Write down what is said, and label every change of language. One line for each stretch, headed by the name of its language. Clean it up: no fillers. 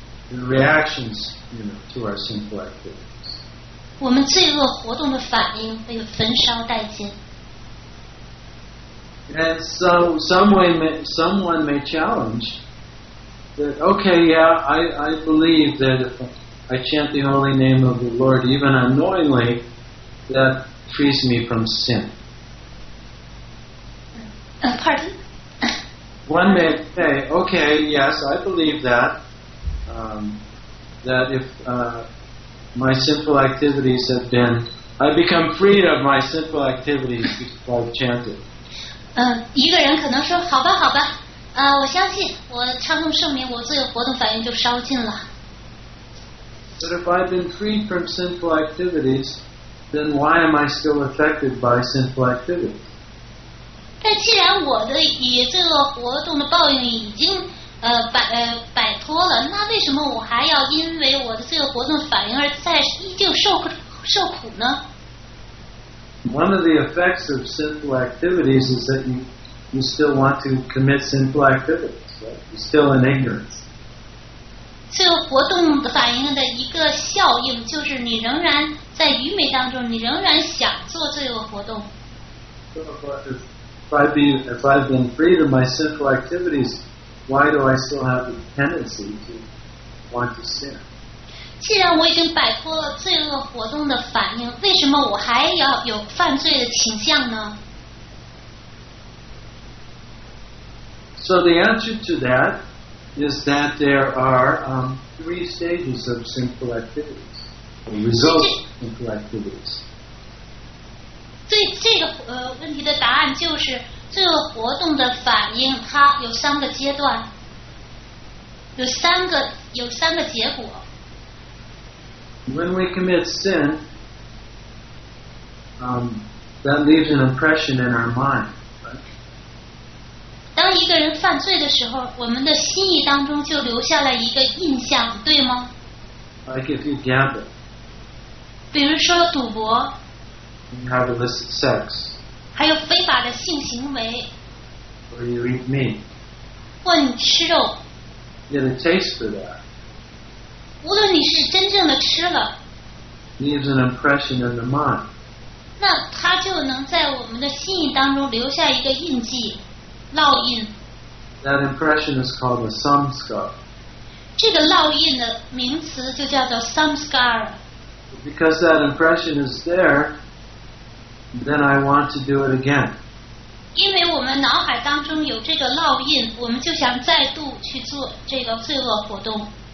English: The reactions, you know, to our sinful activities.
Chinese: 我们罪恶活动的反应被焚烧殆尽。
English: And so, someone may challenge that. Okay, yeah, I believe that if I chant the holy name of the Lord, even unknowingly, that frees me from sin. Pardon? One may say, okay, yes, I believe that, that if my sinful activities have been, I become freed of my sinful activities because I've chanted.
Chinese: 一个人可能说，好吧，好吧，我相信，我唱诵圣名，我自由活动反应就烧尽了。
English: But if I've been freed from sinful activities, then why am I still affected by sinful activities?
Chinese: 但既然我的以罪恶活动的报应已经摆脱了，那为什么我还要因为我的罪恶活动反应而再依旧受苦呢？
English: One of the effects of sinful activities is that you still want to commit sinful activities, right? You're still in ignorance.
Chinese: 罪恶活动的反应的一个效应就是你仍然在愚昧当中，你仍然想做罪恶活动。
English: If I've been freed of my sinful activities, why do I still have the tendency to want to sin?
Chinese: 既然我已经摆脱了罪恶活动的反应，为什么我还要有犯罪的倾向呢？
English: So the answer to that is that there are three stages of sinful activities, the results of sinful activities.
Chinese: 对这个问题的答案就是罪恶活动的反应，它有三个阶段，有三个结果。
English: When we commit sin, that leaves an impression in our mind. Right?
Chinese: 当一个人犯罪的时候，我们的心意当中就留下了一个印象，对吗
English: ？Like if you gamble.
Chinese: 比如说赌博。
English: You have illicit sex.
Chinese: 还有非法的性行为。
English: Or you eat meat.
Chinese: 或你吃肉。
English: You have a taste for that.
Chinese: 无论你是真正的吃了。
English: Leaves an impression in the mind.
Chinese: 那它就能在我们的心意当中留下一个印记，烙印。
English: That impression is called a samskara.
Chinese: 这个烙印的名词就叫做 samskara.
English: Because that impression is there,Then I want to do it again.
Chinese: 因为我们脑海当中有这个烙印，我们就想再度去做这个罪恶活动。